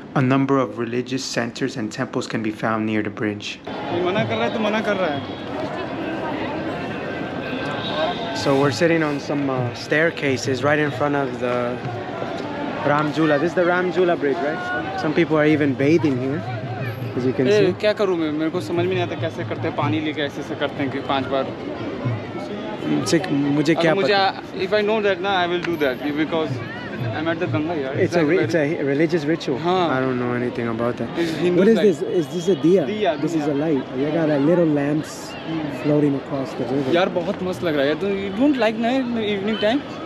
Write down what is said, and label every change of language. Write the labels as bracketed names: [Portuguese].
[English] A number of religious centers and temples can be found near the bridge. So we're sitting on some staircases right in front of the Ramjula. This is the Ramjula bridge, right? Some people are even bathing here. As you can see. [Hindi] Hey, क्या करूँ मैं? मेरे को समझ में नहीं आता कैसे करते हैं पानी लेके ऐसे से करते हैं कि पांच बार. मुझे क्या पता? [English] If I know that na, I will do that because I'm at the Ganga yaar. It's a religious ritual. [Hindi] Haan. [English] I don't know anything about that. What is this? Is this a diya? This diya. Is a light. You got like little lamps floating across the river. [Hindi] Yaar, बहुत मस्त लग रहा है. [English] You don't like na evening time?